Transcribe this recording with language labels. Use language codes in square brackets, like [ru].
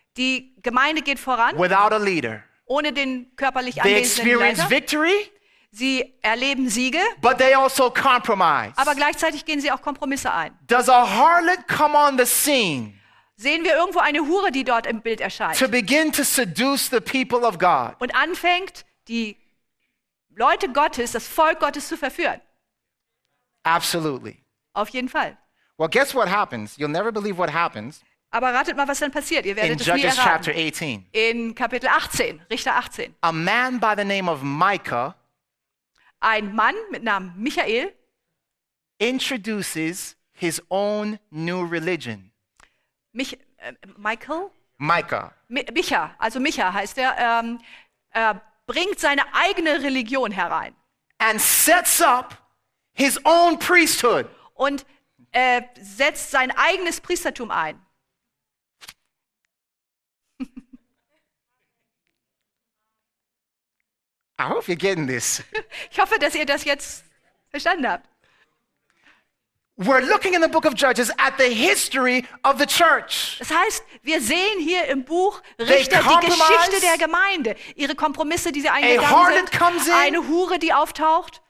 [de] Die Gemeinde geht voran. [en] Without a leader. [de] Ohne den körperlich anwesenden Leiter. [en] They experience victory. [de] Sie erleben Siege. [en] But they also compromise. [de] Aber gleichzeitig gehen sie auch Kompromisse ein. [en] Does a harlot come on the scene? [de] Sehen wir irgendwo eine Hure, die dort im Bild erscheint. [en] To begin to seduce the people of God. [de] Und anfängt, die Leute Gottes, das Volk Gottes zu verführen. [en] Absolutely. [de] Auf jeden Fall. [en] Well, guess what happens? You'll never believe what happens. [de] Aber ratet mal, was dann passiert. Ihr werdet [en] in [de] es [en] Judges [de] nie erraten. [en] Chapter 18. [de] In Kapitel 18, Richter 18. [en] A man by the name of Micah, [de] ein Mann mit Namen Michael, [en] introduces his own new religion. [de] Micha, also Micha heißt er, bringt seine eigene Religion herein. [en] And sets up his own priesthood. [de] Und setzt sein eigenes Priestertum ein. [en] I hope you're getting this. [de] Ich hoffe, dass ihr das jetzt verstanden habt. [en] We're looking in the book of Judges at the history of the church. [de] Das heißt, wir sehen hier im Buch Richter die Geschichte der Gemeinde, ihre Kompromisse, die sie eingegangen sind, eine Hure, die auftaucht